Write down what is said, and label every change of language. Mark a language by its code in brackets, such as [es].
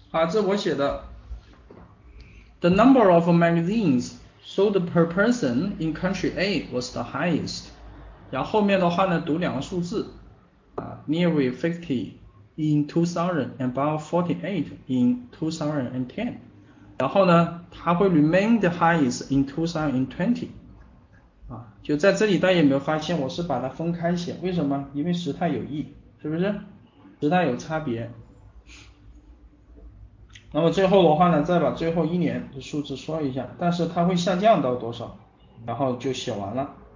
[zh] 这我写的 [en] ，The number of magazines sold per person in country A was the highest。 [zh] 然后后面的话呢，读两个数字， [en] nearly 50 in 2000 and about 48 in 2010。 [zh] 然后呢，它会 [en] remain the highest in 2020。 [zh] 就在这里，大家有没有发现我是把它分开写？为什么？因为时态有异，是不是？时态有差别。那么最后的话呢，再把最后一年的数字说一下，但是它会下降到多少，然后就写完了。